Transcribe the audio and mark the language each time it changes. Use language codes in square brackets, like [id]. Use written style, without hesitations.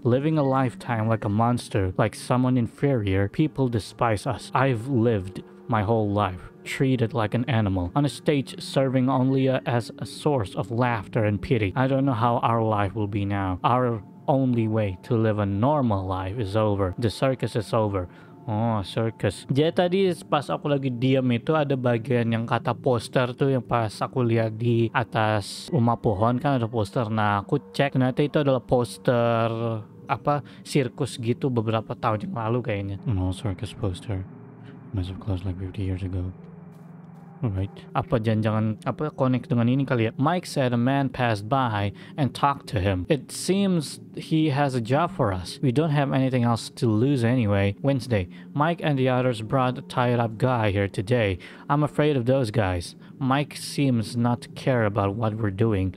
[en] Living a lifetime like a monster, like someone inferior, people despise us. I've lived my whole life, treated like an animal, on a stage serving only as a source of laughter and pity. I don't know how our life will be now. Our only way to live a normal life is over. The circus is over. Oh, circus. [id] Jadi tadi pas aku lagi diam itu ada bagian yang kata poster tuh yang pas aku lihat di atas rumah pohon kan ada poster. Nah, aku cek ternyata itu adalah poster apa sirkus gitu beberapa tahun yang lalu kayaknya. [en] No circus poster. Must have closed like 50 years ago. Alright. [id] Apa jangan-jangan apa connect dengan ini kali ya? [en] Mike said a man passed by and talked to him. It seems he has a job for us. We don't have anything else to lose anyway. Wednesday. Mike and the others brought a tied-up guy here today. I'm afraid of those guys. Mike seems not to care about what we're doing.